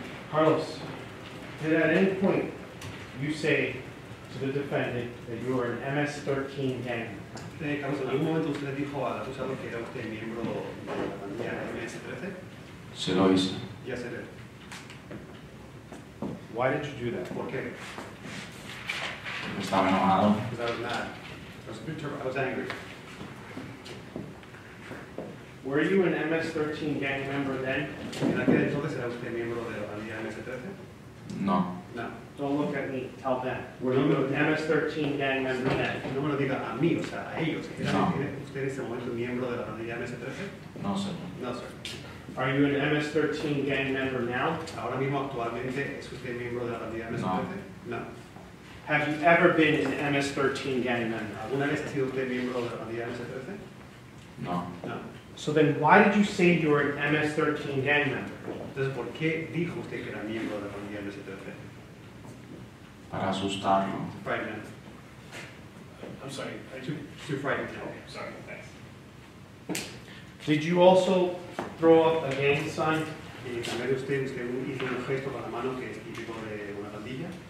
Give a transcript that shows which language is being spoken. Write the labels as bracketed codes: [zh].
[en] Carlos, did at any point you say to the defendant that you were an MS-13 gang? [es] Carlos, ¿en algún momento usted dijo al acusado que era usted miembro de la bandilla MS-13? Se lo hice. [en] Yes, I did. Why did you do that? [es] ¿Por qué? Estaba enojado. [en] I was angry. Were you an MS-13 gang member then? [es] ¿En aquel entonces era usted miembro de la bandilla MS-13? No. [en] No. Don't look at me. Tell them. Were you an MS-13 gang member then? [es] No me lo diga a mí, o sea, a ellos. ¿Usted en ese momento miembro de la bandilla MS-13? [en] No, sir. No, sir. Are you an MS-13 gang member now? [es] Ahora mismo, actualmente, ¿es usted miembro de la bandilla MS-13? No. [en] Have you ever been an MS-13 gang member? [es] ¿Alguna vez ha sido usted miembro de la bandilla MS-13? No. [en] No. So then why did you say you were an MS-13 gang member? [es] Entonces, ¿por qué dijo usted que era miembro de la bandilla MS-13? Para asustarlo. [en] Frightened. I'm sorry. Too frightened. Okay. Sorry. Thanks. Did you also throw up a gang sign? [es] ¿También usted hizo un gesto con la mano que es típico de una bandilla?